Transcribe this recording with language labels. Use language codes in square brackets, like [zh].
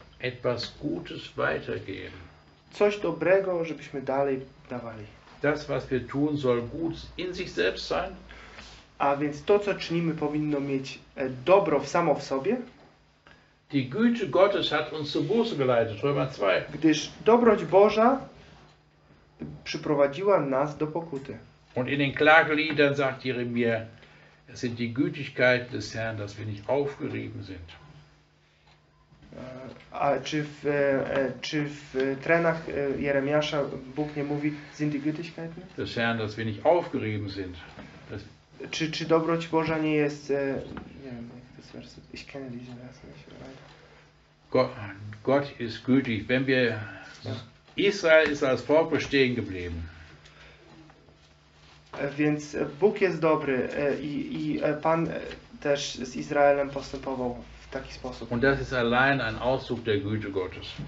[de] Etwas Gutes weitergeben. [pl] Coś dobrego, żebyśmy dalej dawali. [de] Das, was wir tun, soll gut in sich selbst sein. [pl] A więc to, co czynimy, powinno mieć dobro samo w sobie. [de] Die Güte Gottes hat uns zur Buße geleitet, Römer 2. [pl] Gdyż dobroć Boża przyprowadziła nas do pokuty. [de] Und in den Klageliedern sagt Jeremia, es sind die Gütigkeit des Herrn, dass wir nicht aufgerieben sind. [pl] A czy w trenach Jeremiasza Bóg nie mówi, [de] sind die Gütigkeit? Des Herrn, dass wir nicht aufgerieben sind. [pl] Czy dobroć Boża nie jest, nie wiem, jak to jest werset, [de] ich kenne diesen Vers nicht. Gott ist gütig, wenn wir Israel ist als Volk bestehen geblieben. [pl] Więc Bóg jest dobry i Pan też z Izraelem postępował w taki sposób. [de] Und das ist allein ein Ausdruck der Güte Gottes.